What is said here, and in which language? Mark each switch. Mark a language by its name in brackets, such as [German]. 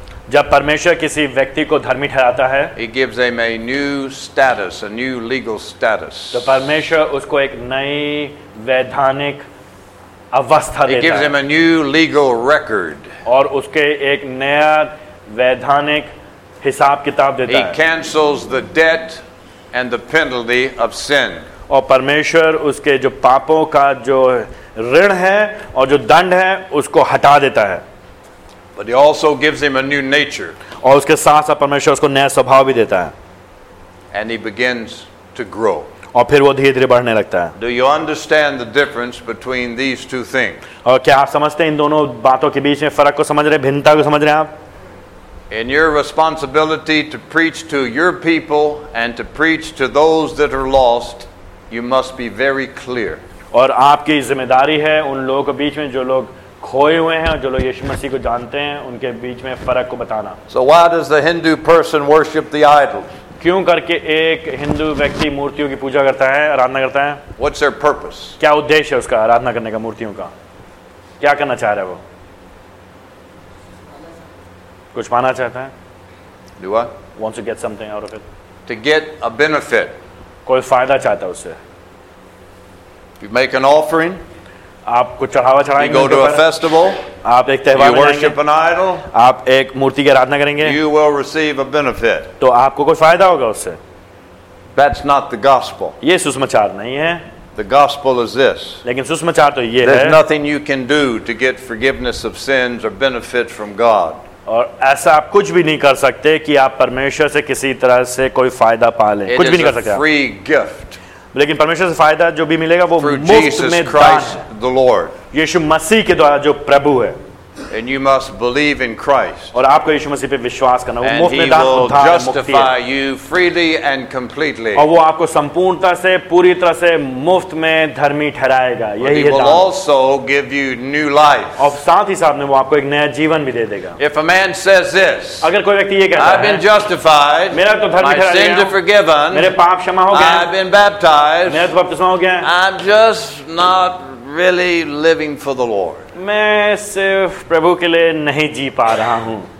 [Hindi] जब परमेश्वर किसी व्यक्ति को धर्मी ठहराता है, [English] he gives him a new status, a new legal status. [Hindi] तो परमेश्वर उसको एक नई वैधानिक अवस्था देता [English] है. He gives him a new legal record. [Hindi] और उसके एक नया वैधानिक हिसाब किताब देता है. [English] He cancels the debt and the penalty of sin. [Hindi] और परमेश्वर उसके जो पापों का जो ऋण है और जो दंड है उसको हटा देता है. [English] But he also gives him a new nature. [Hindi] और उसके साथ साथ परमेश्वर उसको नया स्वभाव भी देता है. [English] And he begins to grow. [Hindi] और फिर वो धीरे धीरे बढ़ने लगता है. [English] Do you understand the difference between these two things? [Hindi] और क्या आप समझते हैं इन दोनों बातों के बीच में फर्क को समझ रहे हैं, भिन्नता को समझ रहे हैं आप? [English] In your responsibility to preach to your people and to preach to those that are lost, you must be very clear. [Hindi] और आपकी जिम्मेदारी है उन लोगों के बीच में जो लोग खोए हुए हैं और जो लोग यीशु मसीह को जानते हैं उनके बीच में फर्क को बताना. [English] So why does the Hindu person worship the idols? [Hindi] क्यों करके एक हिंदू व्यक्ति मूर्तियों की पूजा करता है, आराधना करता है? [English] What's their purpose? [Hindi] क्या उद्देश्य है उसका आराधना करने का, मूर्तियों का क्या करना चाह रहा है वो? कुछ पाना चाहता है? [English] Do what? Wants to get something out of it. To get a benefit. [Hindi] कोई फायदा चाहता है उससे. [English] You make an offering. [Hindi] आप कुछ चढ़ावा चढ़ाएंगे. [English] You go to a festival. [Hindi] आप एक त्योहार में जाएंगे. [English] You worship an idol. [Hindi] आप एक मूर्ति की आराधना करेंगे. [English] You will receive a benefit. [Hindi] तो आपको कुछ फायदा होगा उससे. [English] That's not the gospel. [Hindi] ये सुसमाचार नहीं है. [English] The gospel is this. [Hindi] लेकिन सुसमाचार तो ये है. [English] There's nothing you can do to get forgiveness of sins or benefit from God. [Hindi] और ऐसा आप कुछ भी नहीं कर सकते कि आप परमेश्वर से किसी तरह से कोई फायदा पा लें. कुछ भी नहीं कर सकते. [English] Free gift. [Hindi] लेकिन परमेश्वर से फायदा जो भी मिलेगा वो मुफ्त में दान. यीशु मसीह के द्वारा जो प्रभु है. [English] And you must believe in Christ. [Hindi] और आपको यीशु मसीह पे विश्वास करना. [English] And [Hindi] वो मुफ्त में दान होता है, मुफ्त में. [English] Justify you freely and completely. [Hindi] और वो आपको संपूर्णता से पूरी तरह से मुफ्त में धर्मी ठहराएगा. यही [English] है दान. He will also give you new life. [Hindi] और साथ ही साथ में वो आपको एक नया जीवन भी दे देगा. [English] If a man says this, [Hindi] अगर कोई व्यक्ति ये कहता है, [English] I've been justified, [Hindi] मेरा तो धर्मी ठहरा गया, [English] my sins are forgiven, [Hindi] मेरे पाप क्षमा हो गए, [English] I've been baptized, [Hindi] मेरा तो बपतिस्मा हो गया, [English] I'm just not really living for the Lord. [Hindi] मैं सिर्फ प्रभु के लिए नहीं जी पा रहा हूं.